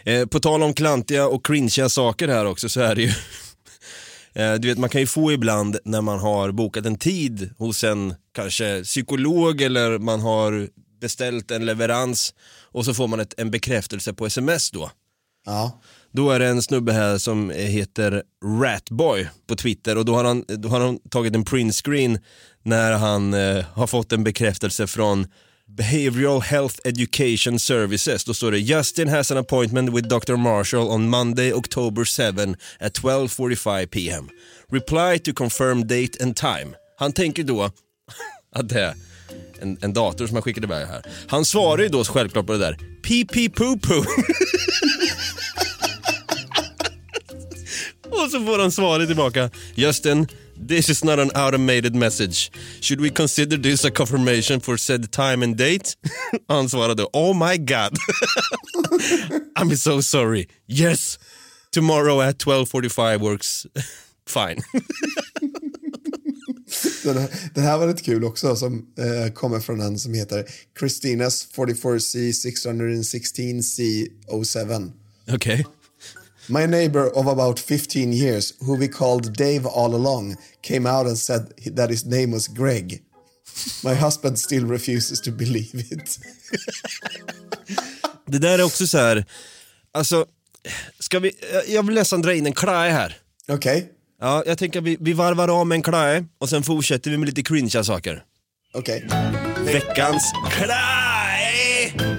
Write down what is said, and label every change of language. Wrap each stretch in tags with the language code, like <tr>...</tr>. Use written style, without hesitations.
<sv>På tal om klantiga och cringiga saker här också, så är det ju... Du vet, man kan ju få ibland när man har bokat en tid hos en kanske psykolog eller man har beställt en leverans och så får man en bekräftelse på sms då. Ja. Då är det en snubbe här som heter Ratboy på Twitter, och då har han tagit en printscreen när han har fått en bekräftelse från Behavioral Health Education Services. Då står det:</sv> <en>Justin has an appointment with Dr. Marshall on Monday, October 7 at 12:45 p.m. Reply to confirm date and time.</en> <sv>Han tänker då att det är en dator som har skickat iväg här. Han svarar ju då självklart på det där: pee-pee-poo-poo. Och så får han svaret tillbaka:</sv> <en>Justin, this is not an automated message. Should we consider this a confirmation for said time and date?</en> <sv>Han svarade:</sv> <en>oh my god. I'm so sorry. Yes, tomorrow at 12:45 works fine.</en> <sv>Det här var lite kul också, som kommer från en som heter Christina's 44C616C07. Okej.</sv> <en>My neighbor of about 15 years, who we called Dave all along, came out and said that his name was Greg. My husband still refuses to believe it.</en> <sv>Det där är också så här, alltså, ska vi, jag vill nästan dra in en klaj här. Okej.</sv> <en>Okay.</en> <sv>Ja, jag tänker att vi varvar av med en klaj och sen fortsätter vi med lite cringe saker. Okej.</sv> <en>Okay.</en> <sv>Veckans klaj!</sv>